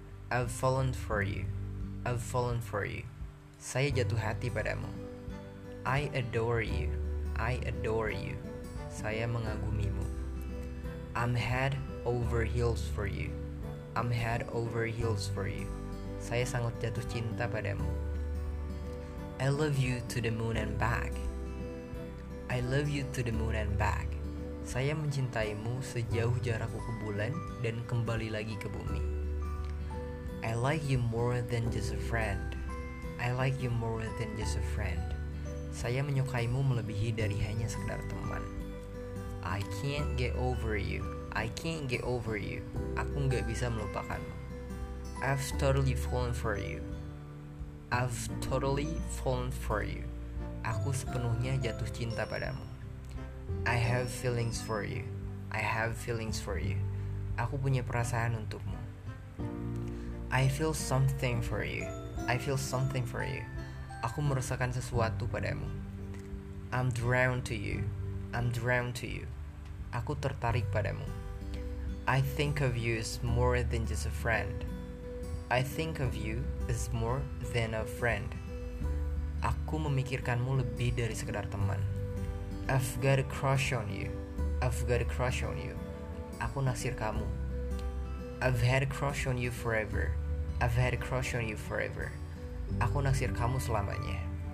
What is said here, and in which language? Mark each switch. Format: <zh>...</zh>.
<en>I've fallen for you. I've fallen for you.</en> <id>Saya jatuh hati padamu.</id> <en>I adore you. I adore you.</en> <id>Saya mengagumimu.</id> <en>I'm head over heels for you. I'm head over heels for you.</en> <id>Saya sangat jatuh cinta padamu.</id> <en>I love you to the moon and back. I love you to the moon and back.</en> <id>Saya mencintaimu sejauh jarakku ke bulan dan kembali lagi ke bumi.</id> <en>I like you more than just a friend. I like you more than just a friend.</en> <id>Saya menyukaimu melebihi dari hanya sekedar teman.</id> <en>I can't get over you. I can't get over you.</en> <id>Aku gak bisa melupakanmu.</id> <en>I've totally fallen for you. I've totally fallen for you.</en> <id>Aku sepenuhnya jatuh cinta padamu.</id> <en>I have feelings for you. I have feelings for you.</en> <id>Aku punya perasaan untukmu.</id> <en>I feel something for you. I feel something for you.</en> <id>Aku merasakan sesuatu padamu.</id> <en>I'm drawn to you. I'm drawn to you.</en> <id>Aku tertarik padamu.</id> <en>I think of you as more than just a friend. I think of you as more than a friend.</en> <id>Aku memikirkanmu lebih dari sekedar teman.</id> <en>I've got a crush on you. I've got a crush on you.</en> <id>Aku naksir kamu.</id> <en>I've had a crush on you forever. I've had a crush on you forever.</en> <id>Aku naksir kamu selamanya.</id>